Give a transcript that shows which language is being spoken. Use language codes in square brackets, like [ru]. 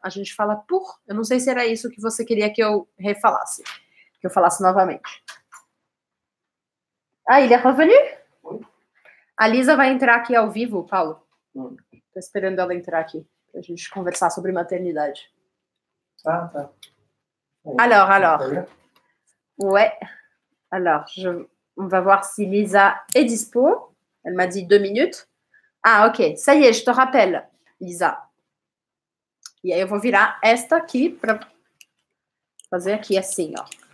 [pt] A gente fala por. Eu não sei se era isso que você queria que eu refalasse. Que eu falasse novamente. [fr] Ah, il est revenu? [pt] A Lisa vai entrar aqui ao vivo, Paulo. Tô esperando ela entrar aqui pra gente conversar sobre maternidade. Ah, tá. Aí, [fr] alors. Ouais. Alors, on va voir si Lisa est dispo. Elle m'a dit deux minutes. Ah, ok. Ça y est, je te rappelle, Lisa. [pt] E aí eu vou virar esta aqui pra fazer aqui assim, ó.